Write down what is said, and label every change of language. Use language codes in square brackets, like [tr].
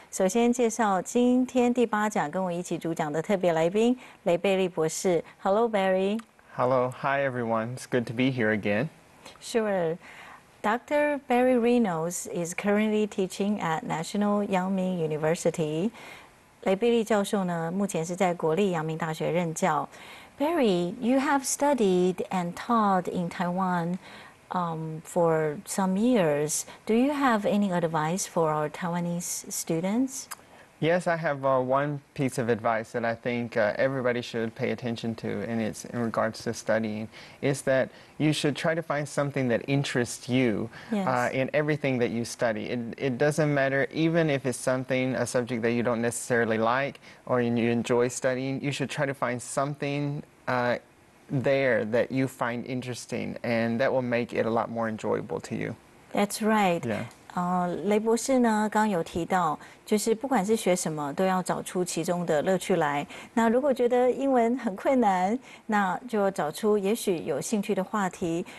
[zh] 首先介绍今天第八讲跟我一起主讲的特别来宾，雷贝利博士。 [en] Hello, Barry. Hello, hi everyone. It's good to be here again. Sure. Dr. Barry Reynolds is currently teaching at National Yangming University. [zh] 雷贝利教授呢，目前是在国立阳明大学任教。 [en] Barry, you have studied and taught in Taiwan, for some years. Do you have any advice for our Taiwanese students? Yes, I have one piece of advice that I think everybody should pay attention to, and it's in regards to studying, is that you should try to find something that interests you in everything that you study. It doesn't matter, even if it's something, a subject that you don't necessarily like or you enjoy studying, you should try to find something there that you find interesting, and that will make it a lot more enjoyable to you. That's right. Yeah. [zh] 雷博士呢刚有提到，就是不管是学什么都要找出其中的乐趣来。那如果觉得英文很困难，那就找出也许有兴趣的话题。